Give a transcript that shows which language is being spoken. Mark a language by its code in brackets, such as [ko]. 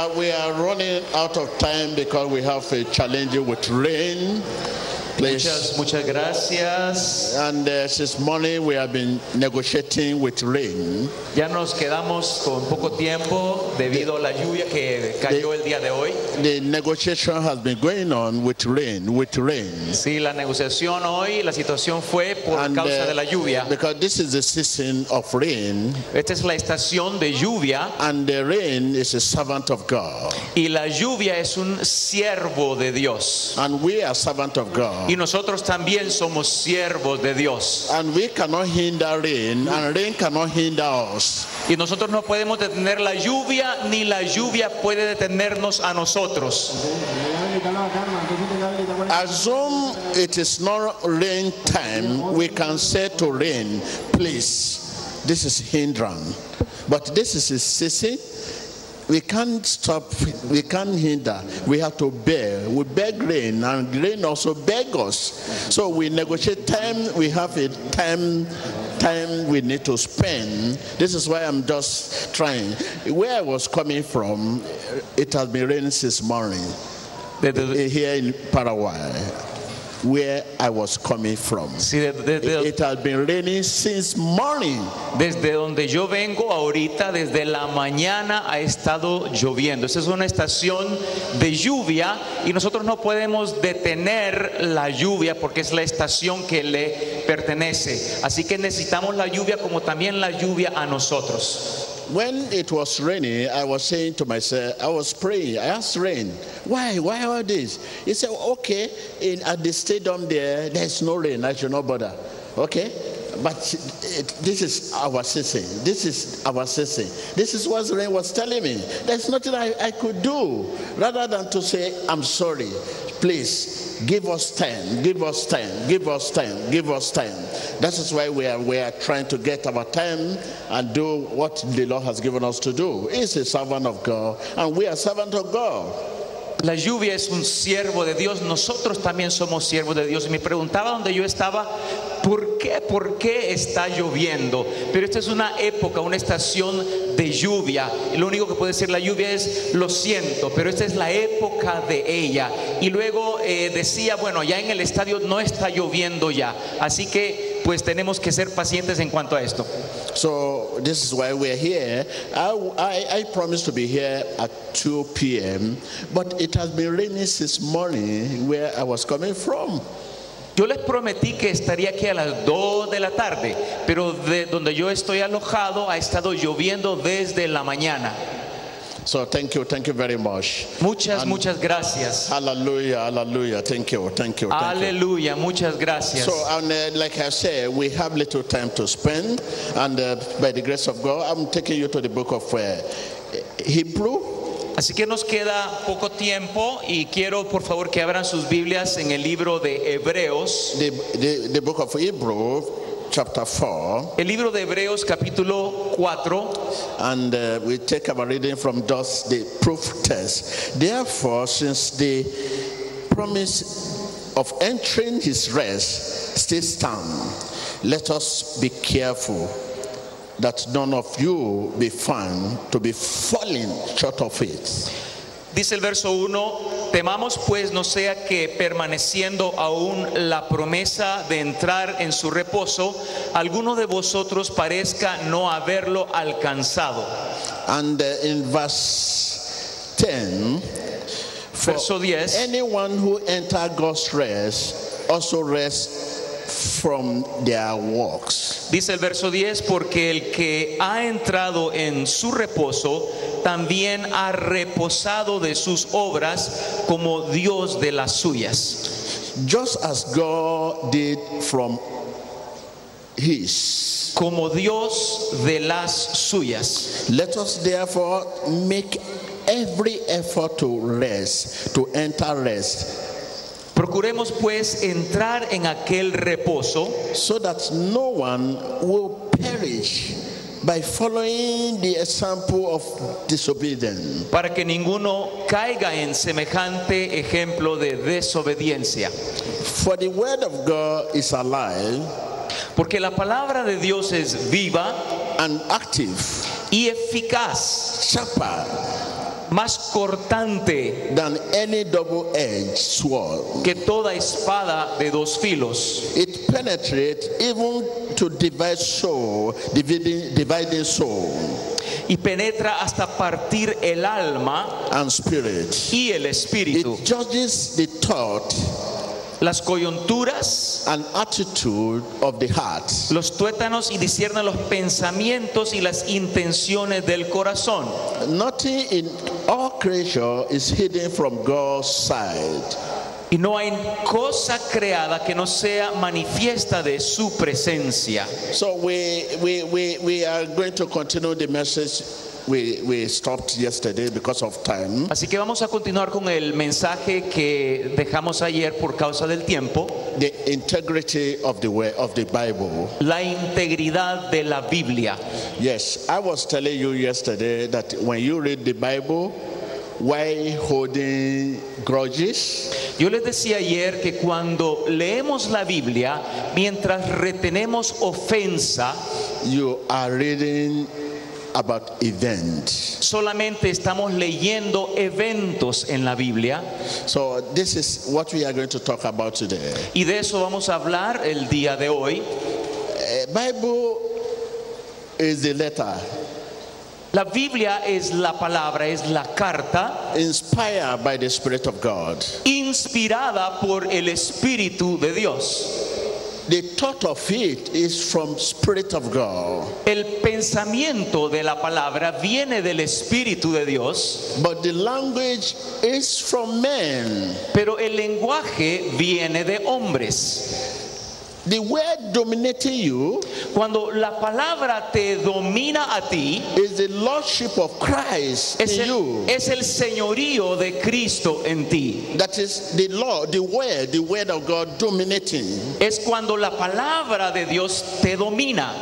[en] We are running out of time because we have a challenge with rain. Please. [es] Muchas gracias. [en] And this morning we have been negotiating with rain. [es] Ya nos quedamos con poco tiempo debido a la lluvia que cayó el día de hoy. [en] The negotiation has been going on with rain, [es] Sí, la negociación hoy, la situación fue por causa de la lluvia. [en] Because this is the season of rain. [es] Esta es la estación de lluvia. [en] And the rain is a servant of God. [es] Y la lluvia es un siervo de Dios. [en] And we are servant of God. [es] Y nosotros también somos siervos de Dios. [en] And we cannot hinder rain, and rain cannot hinder us. [es] Y nosotros no podemos detener la lluvia, ni la lluvia puede detenernos a nosotros. [en] Assume it is not rain time, we can say to rain, please, this is hindrance. But this is a season. We can't stop, we can't hinder. We have to bear. We beg rain, and rain also beg us. So we negotiate time, we have a time we need to spend. This is why I'm just trying. Where I was coming from, it has been raining since morning. Here in Paraguay, where I was coming from. It has been raining since morning. [es] Desde donde yo vengo ahorita, desde la mañana ha estado lloviendo. Esa es una estación de lluvia y nosotros no podemos detener la lluvia porque es la estación que le pertenece. Así que necesitamos la lluvia como también la lluvia a nosotros. [en] When it was raining, I was saying to myself, I was praying, I asked rain, why all this? He said, okay, at the stadium there's no rain, I should not bother. Okay, but this is our season, This is what rain was telling me. There's nothing I could do, rather than to say, I'm sorry, please, give us time. That is why we are trying to get our time and do what the Lord has given us to do. He's a servant of God, and we are servant of God. [es] La lluvia es un siervo de Dios. Nosotros también somos siervos de Dios. Y me preguntaba donde yo estaba, ¿por qué está lloviendo? Pero esta es una época, una estación de lluvia. Lo único que puede ser la lluvia es, lo siento, pero esta es la época de ella. Y luego decía, bueno, ya en el estadio no está lloviendo ya. Así que, pues tenemos que ser pacientes en cuanto a esto. [en] So, this is why we're here. I promised to be here at 2 p.m., but it has been raining since morning where I was coming from. [es] Yo les prometí que estaría aquí a las 2 de la tarde, pero de donde yo estoy alojado ha estado lloviendo desde la mañana. [en] So thank you very much. [es] Muchas gracias. [en] Hallelujah. Thank you. [es] Hallelujah. Muchas gracias. [en] So like I said, we have little time to spend, and by the grace of God, I'm taking you to the book of Hebrew. [es] Así que nos queda poco tiempo y quiero por favor que abran sus Biblias en el libro de Hebreos. [en] The book of Hebrews. Chapter 4. [es] El libro de Hebreos capítulo 4. [en] And we take our reading from thus the proof text. Therefore, since the promise of entering his rest still stands, let us be careful that none of you be found to be falling short of it. [es] Dice el verso 1, temamos pues no sea que permaneciendo aún la promesa de entrar en su reposo, alguno de vosotros parezca no haberlo alcanzado. [en] And in verse 10, [es] verso 10, [en] anyone who enter God's rest also rests from their works. [es] Dice el verso 10, porque el que ha entrado en su reposo también ha reposado de sus obras como Dios de las suyas. [en] Just as God did from his. [es] Como Dios de las suyas. [en] Let us therefore make every effort to rest, to enter rest. [es] Procuremos pues entrar en aquel reposo. [en] So that no one will perish by following the example of disobedience. [es] Para que ninguno caiga en semejante ejemplo de desobediencia. [en] For the word of God is alive. [es] Porque la palabra de Dios es viva. [en] And active. [es] y eficaz, [en] sharper, [es] más cortante [en] than any double-edged sword, [es] que toda espada de dos filos. [en] It penetrates even to divide soul, dividing soul, [es] y penetra hasta partir el alma [en] and spirit, [es] y el espíritu. [en] It judges the thought, [es] las coyunturas, [en] and attitude of the heart, [es] los tuétanos, y discierne los pensamientos y las intenciones del corazón. [en] Nothing in all creation is hidden from God's sight, [es] y no hay cosa creada que no sea manifiesta de su presencia. [en] So we are going to continue the message. We stopped yesterday because of time. [es] Así que vamos a continuar con el mensaje que dejamos ayer por causa del tiempo. [en] The integrity of the way of the Bible. [es] La integridad de la Biblia. [en] Yes, I was telling you yesterday that when you read the Bible, why holding grudges? [es] Yo les decía ayer que cuando leemos la Biblia, mientras retenemos ofensa, [en] you are reading about events. [es] Solamente estamos leyendo eventos en la Biblia. [en] So this is what we are going to talk about today. [es] Y de eso vamos a hablar el día de hoy. [en] Bible is the letter. [es] La Biblia es la palabra, es la carta. [en] Inspired by the Spirit of God. [es] Inspirada por el Espíritu de Dios. [en] The thought of it is from Spirit of God. [es] El pensamiento de la palabra viene del Espíritu de Dios. [en] But the language is from men. [es] Pero el lenguaje viene de hombres. [en] The word dominating you, [es] cuando la palabra te domina a ti, [en] is the lordship of Christ in you. [es] Es el señorío de Cristo en ti. [en] That is the law, the word of God dominating. [es] Es cuando la palabra de Dios te domina.